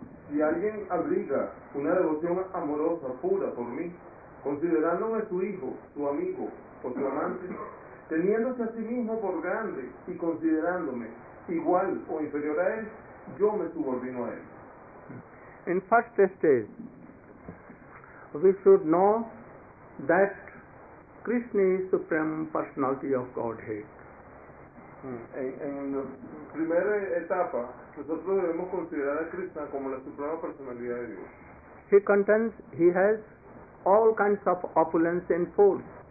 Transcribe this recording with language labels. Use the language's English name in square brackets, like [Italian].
[Spanish] Si alguien abriga una devoción amorosa pura por mí, considerándome su hijo, su amigo o su amante, teniéndose a sí mismo por grande y considerándome igual o inferior a él, yo me subordino a él. [English] In first stage, we should know that Krishna is supreme personality of Godhead. [Spanish] En la primera etapa, nosotros debemos considerar a Krishna como la suprema personalidad de Dios. [English] He contends he has all kinds of opulence and force.